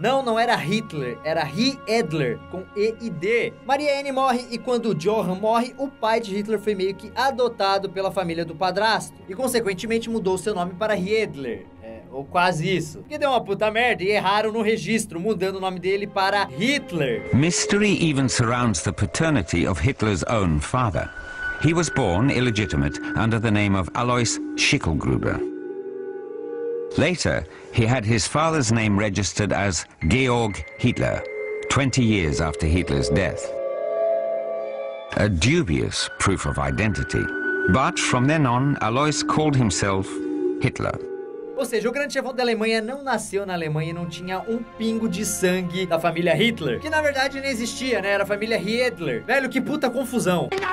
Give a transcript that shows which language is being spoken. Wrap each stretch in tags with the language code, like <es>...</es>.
<pt>Não era Hitler, era Hiedler, com E e D. Maria Anne morre, e quando Johann morre, o pai de Hitler foi meio que adotado pela família do padrasto. E, consequentemente, mudou seu nome para Hiedler. Ou quase isso. Porque deu uma puta merda e erraram no registro, mudando o nome dele para Hitler.</pt> <en>Mystery even surrounds the paternity of Hitler's own father. He was born illegitimate under the name of Alois Schickelgruber. Later, he had his father's name registered as Georg Hitler, 20 years after Hitler's death. A dubious proof of identity. But from then on, Alois called himself Hitler.</en> <pt>Ou seja, o grande chefão da Alemanha não nasceu na Alemanha e não tinha um pingo de sangue da família Hitler. Que na verdade nem existia, né? Era a família Hitler. Velho, que puta confusão.</pt>